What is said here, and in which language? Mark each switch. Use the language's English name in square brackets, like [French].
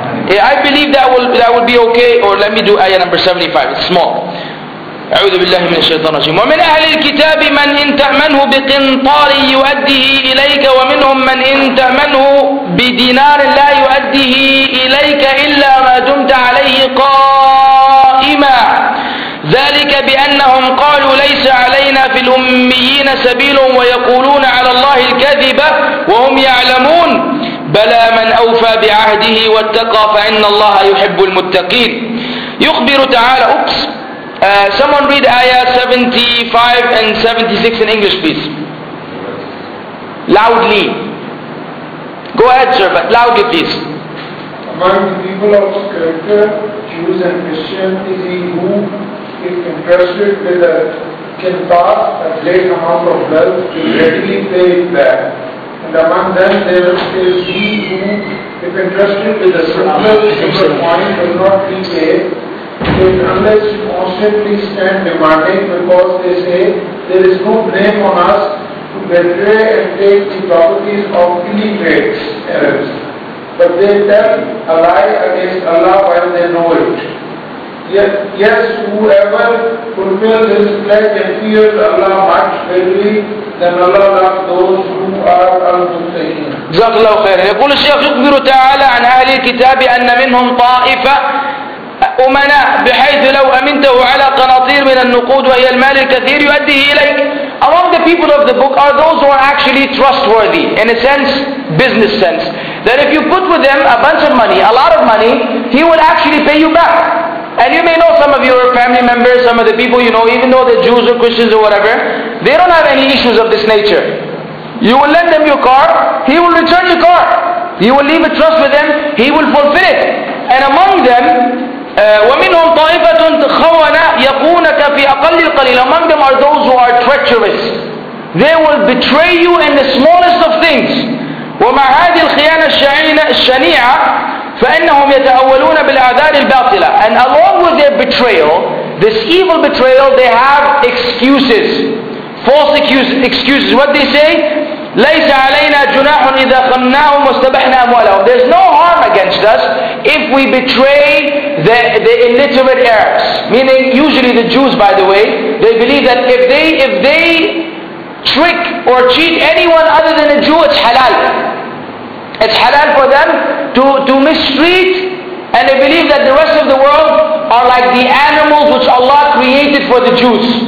[English] I believe that will be okay. Or let me do ayah number 75. It's small. [Arabic] أعوذ بالله من الشيطان الرجيم. ومن أهل الكتاب من إن تأمنه بقنطار يؤديه إليك ومنهم من إن تأمنه بدينار لا يؤديه إليك إلا ما دمت عليه قائما ذلك بأنهم قالوا ليس علينا في الأميين سبيل ويقولون على الله الكذب وهم يعلمون بلى من أوفى بعهده واتقى فإن الله يحب المتقين يخبر تعالى. أوبس. [English] Someone read ayah 75 and 76 in English, please. Loudly. Go ahead, sir, but loudly, please. Among the people of scripture, Jews and Christians, is he who, if entrusted with a kinfar, a great amount of wealth, will readily pay it back. And among them, there is he who, if entrusted with a smaller coin, will not repay it. Unless you constantly stand demanding, because they say there is no blame on us to betray and take the properties of illiterates, Arabs. But they tell a lie against Allah while they know it. Yet, yes, whoever fulfills his pledge and fears Allah much greatly, then Allah loves those who are unfaithful. Jazakallahu khair. [Arabic] يقول الشيخ يخبر تعالى عن أهل الكتاب أن منهم طائفة أمناء بحيث لو أمنته على قناطير من النقود وهي المال الكثير يؤديه إليك. [English] Among the people of the book are those who are actually trustworthy in a sense, business sense, that if you put with them a bunch of money, a lot of money, he will actually pay you back. And you may know some of your family members, some of the people you know, even though they're Jews or Christians or whatever, they don't have any issues of this nature. You will lend them your car, he will return your car. You will leave a trust with him, he will fulfill it. And among them, [Arabic] ومنهم طائفة خونة يقونك في أقل القليل. [English] Among them are those who are treacherous. They will betray you in the smallest of things. [Arabic] ومع هذه الخيانة الشنيعة فإنهم يتأولون بالأعذار الباطلة. [English] And along with their betrayal, this evil betrayal, they have excuses. False excuses. What they say? [Arabic] ليس علينا جناح إذا خناهم واستبحنا أموالهم. [English] There's no harm against us if we betray the illiterate Arabs. Meaning, usually the Jews, by the way, they believe that if they trick or cheat anyone other than a Jew, it's halal. It's halal for them to mistreat, and they believe that the rest of the world are like the animals which Allah created for the Jews.